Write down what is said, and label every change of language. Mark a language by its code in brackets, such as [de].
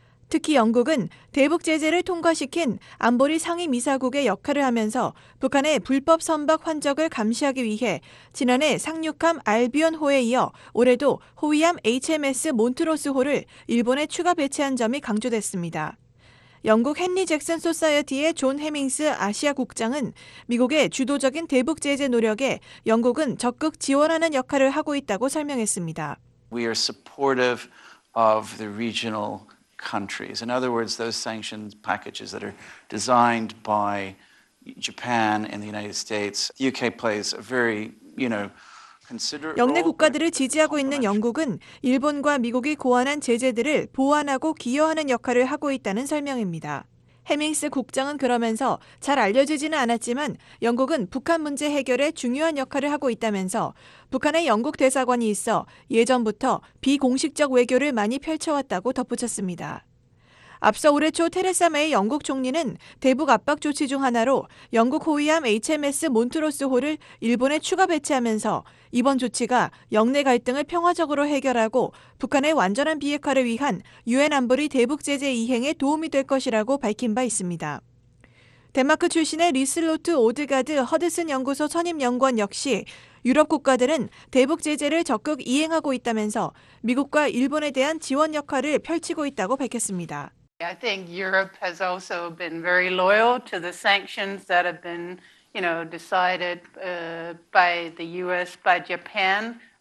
[ko] 특히 영국은 대북 제재를 통과시킨 안보리 상임이사국의 역할을 하면서 북한의 불법 선박 환적을 감시하기 위해 지난해 상륙함 알비온호에 이어 올해도 호위함 HMS 몬트로스호를 일본에 추가 배치한 점이 강조됐습니다. 영국 헨리 잭슨 소사이어티의 존 해밍스 아시아 국장은 미국의 주도적인 대북 제재 노력에 영국은 적극 지원하는 역할을 하고 있다고 설명했습니다. [en] We are supportive of the regional countries. In other words, those sanctions packages that are designed by Japan and the United States. UK plays a very, you know, [ko] 영내 국가들을 지지하고 있는 영국은 일본과 미국이 고안한 제재들을 보완하고 기여하는 역할을 하고 있다는 설명입니다. 해밍스 국장은 그러면서 잘 알려지지는 않았지만 영국은 북한 문제 해결에 중요한 역할을 하고 있다면서 북한에 영국 대사관이 있어 예전부터 비공식적 외교를 많이 펼쳐왔다고 덧붙였습니다. 앞서 올해 초 테레사 메이 영국 총리는 대북 압박 조치 중 하나로 영국 호위함 HMS 몬트로스호를 일본에 추가 배치하면서 이번 조치가 영내 갈등을 평화적으로 해결하고 북한의 완전한 비핵화를 위한 유엔 안보리 대북 제재 이행에 도움이 될 것이라고 밝힌 바 있습니다. 덴마크 출신의 리슬로트 오드가드 허드슨 연구소 선임 연구원 역시 유럽 국가들은 대북 제재를 적극 이행하고 있다면서 미국과 일본에 대한 지원 역할을 펼치고 있다고 밝혔습니다. [en] I think Europe has also been very loyal to the sanctions that have been, you know, decided by the US, by Japan